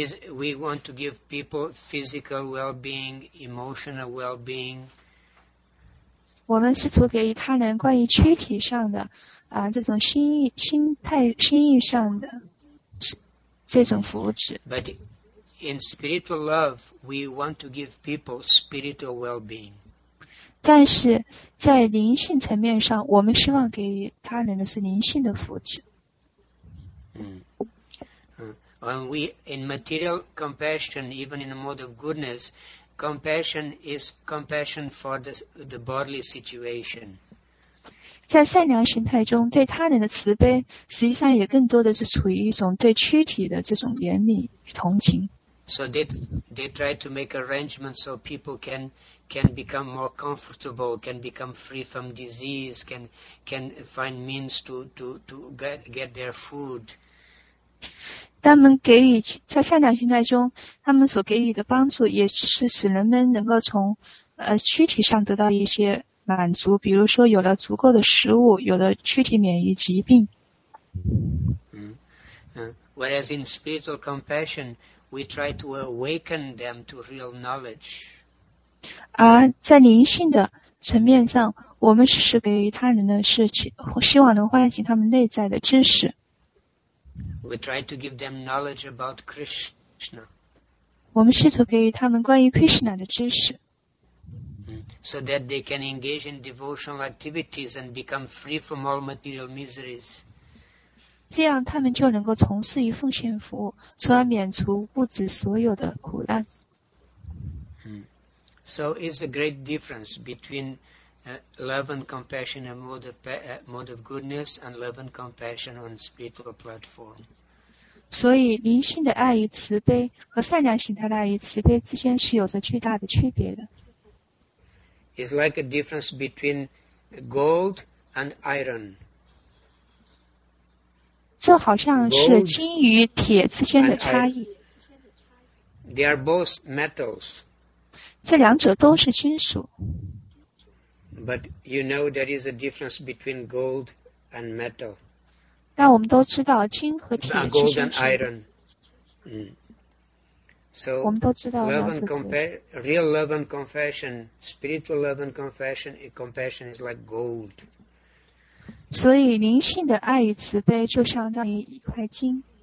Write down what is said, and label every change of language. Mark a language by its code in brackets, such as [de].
[en] We want to give people physical well-being, emotional well-being. [zh] 我们试图给予他人关于躯体上的啊这种心意上的这种福祉。 [en] But in spiritual love, we want to give people spiritual well-being. [zh] 但是在灵性层面上，我们希望给予他人的是灵性的福祉。 [en] When we in material compassion, even in the mode of goodness, compassion is compassion for the bodily situation. [zh] 在善良形态中，对他人的慈悲，实际上也更多的是处于一种对躯体的这种怜悯与同情。 [en] So they try to make arrangements so people can become more comfortable, can become free from disease, can find means to get their food. [zh] 他们给予在善良心态中，他们所给予的帮助也是使人们能够从躯体上得到一些满足，比如说有了足够的食物，有了躯体免于疾病。 [en] Whereas in spiritual compassion. We try to awaken them to real knowledge. [zh] 在灵性的层面上，我们只是给予他人的是希望能唤醒他们内在的知识。 [en] We try to give them knowledge about Krishna. [zh] 我们试图给予他们关于 Krishna 的知识。 [en] So that they can engage in devotional activities and become free from all material miseries. [zh] 这样他们就能够从事于奉献服务，从而免除物质所有的苦难。 [en] So it's a great difference between love and compassion and mode of goodness and love and compassion on spiritual platform. [zh] 所以灵性的爱与慈悲和善良形态的爱与慈悲之间是有着巨大的区别的。 [en] It's like a difference between gold and iron. [zh] 这好像是金与铁之间的差异。 [en] They are both metals. [zh] 这两者都是金属。 [en] But you know there is a difference between gold and metal. [zh] 但我们都知道金和铁之间是。 [en] Gold and iron. So, [zh] 我们都知道 [en] love and real love and compassion, spiritual love and compassion is like gold. [zh] 所以灵性的爱与慈悲就相当于一块金